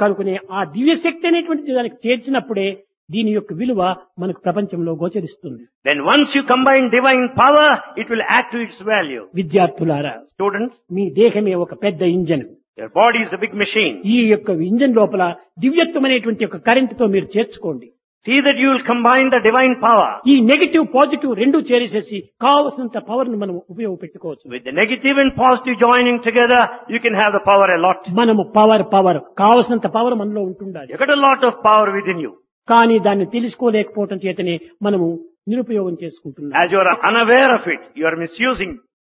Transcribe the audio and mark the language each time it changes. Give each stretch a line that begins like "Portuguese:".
Telugu: కనుకనే ఆ దివ్యశక్తి అనేటువంటి దానికి చేర్చినప్పుడే దీని యొక్క విలువ మనకు ప్రపంచంలో గోచరిస్తుంది.
English: Then once you combine divine power it will act to its value.
Telugu: విద్యార్థులారా
English: students
Telugu: మీ దేహమే ఒక పెద్ద engine.
English: Your body is a big machine.
Telugu: ఈ యొక్క ఇంజన్ లోపల దివ్యత్వం అనేటువంటి యొక్క కరెంట్ తో మీరు చేర్చుకోండి.
English: See that you will combine the divine power.
Telugu: ఈ నెగటివ్ పాజిటివ్ రెండు చేరేసేసి కావలసినంత పవర్ ను మనం ఉపయోగపెట్టుకోవచ్చు.
English: With the negative and positive joining together, you can have the power a lot.
Telugu: మనము పవర్ పవర్ కావలసినంత పవర్ మనలో ఉంటుండాలి.
English: You got a lot of power within you.
Telugu: కానీ దాన్ని తెలుసుకోలేకపోవటం చేతనే మనము నిరుపయోగం చేసుకుంటున్నాం.
English: As you are unaware of it, you are misusing.